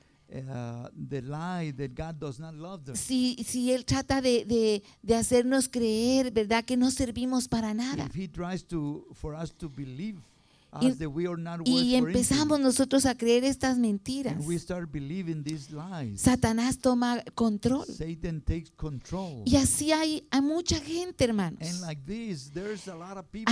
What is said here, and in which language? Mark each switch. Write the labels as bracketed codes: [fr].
[en] the lie that God does not love them. [es] Si él trata de hacernos creer, ¿verdad?, que no servimos para nada. [en] If he tries to for us to believe us that we are not worth [es] it. Y empezamos nosotros a creer estas mentiras. [en] And we start believing these lies. [es] Satanás toma control. [en] Satan takes control. [es] Y así hay mucha gente, hermanos. [en] And like this, there's a lot of people